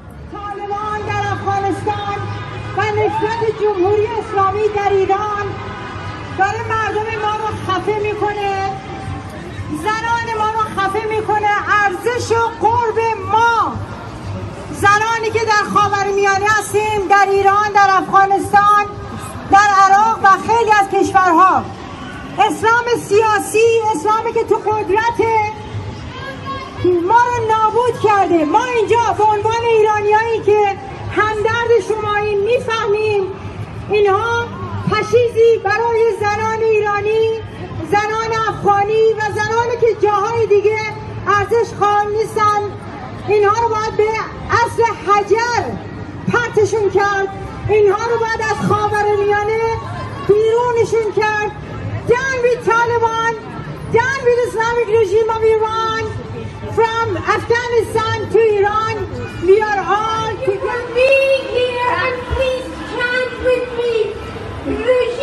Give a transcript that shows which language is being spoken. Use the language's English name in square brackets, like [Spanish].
[English] Taliban in Afghanistan and the Islamic Republic of Iran is killing our people. It is killing our women. It is killing our women. It is killing our women. It is killing our women. It is Afghanistan, in Iraq and many of our countries. [Persian] اسلام سیاسی، اسلامی که تو قدرت ما رو نابود کرده. ما اینجا به عنوان ایرانیایی که همدرد شماییم میفهمیم اینها پشیزی برای زنان ایرانی، زنان افغانی و زنانی که جاهای دیگه ارزش قائل نیستن، اینها رو باید به اصل حجر پرتشون کرد، اینها رو باید از خاورمیانه بیرونشون کرد. [English] Down with Taliban, down with Islamic regime of Iran, from Afghanistan to Iran, we are all together. You can be here and please chant with me.